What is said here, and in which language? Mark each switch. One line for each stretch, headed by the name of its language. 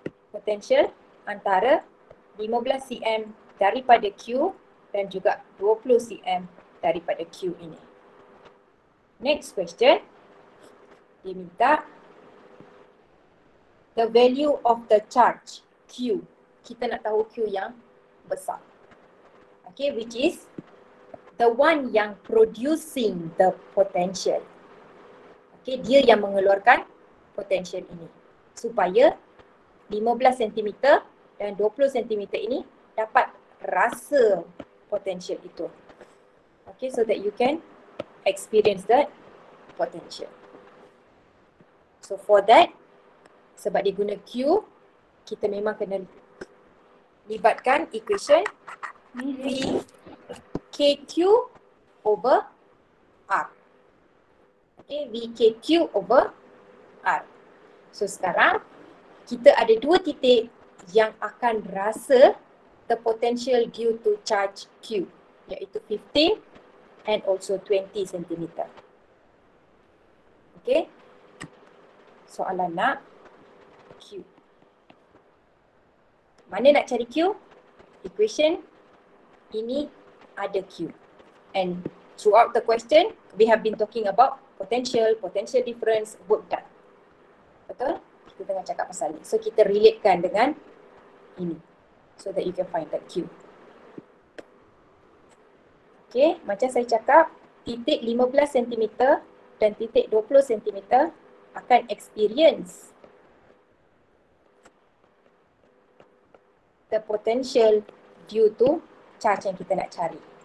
Malay: Potential antara 15 cm daripada Q dan juga 20 cm daripada Q ini.
English: Next question,
Malay: diminta
English: the value of the charge Q.
Malay: Kita nak tahu Q yang besar.
English: Okay, which is the one
Malay: yang
English: producing the potential.
Malay: Okay, dia yang mengeluarkan potential ini. Supaya 15 cm dan 20 cm ini dapat rasa potential itu.
English: Okay, so that you can experience that potential. So for that,
Malay: sebab dia guna Q, kita memang kena libatkan equation V KQ over R.
English: Okay, V KQ over R. So
Malay: sekarang kita ada dua titik yang akan rasa
English: the potential due to charge Q,
Malay: iaitu
English: 15 and also 20 centimeter. Okay.
Malay: Soalan nak Q. Mana nak cari Q? Equation ini ada Q.
English: And throughout the question, we have been talking about potential, potential difference, work done.
Malay: Betul? Kita tengah cakap pasal ni. So kita relatekan dengan ini.
English: So that you can find that Q.
Malay: Okay, macam saya cakap, titik 15 cm dan titik 20 cm akan
English: experience the potential due to charge
Malay: yang kita nak cari.